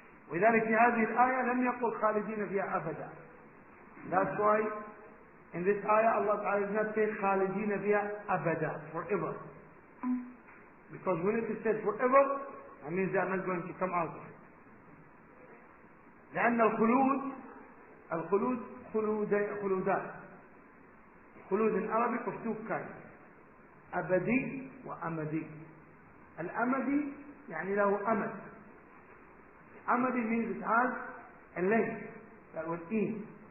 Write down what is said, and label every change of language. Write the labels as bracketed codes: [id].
[ar] ولذلك في هذه الآية لم يقل خالدين فيها أبدا. [en] That's why in this ayah Allah تعالى did not say [ar] خالدين فيها أبدا [en] forever. Because when it is said forever, that means they are not going to come out. [ar] لأن الخلود خلود العربيه في [en] two kinds, [ar] ابدي وامدي. الامدي يعني له امد. [en] امدي means it has a length that will end.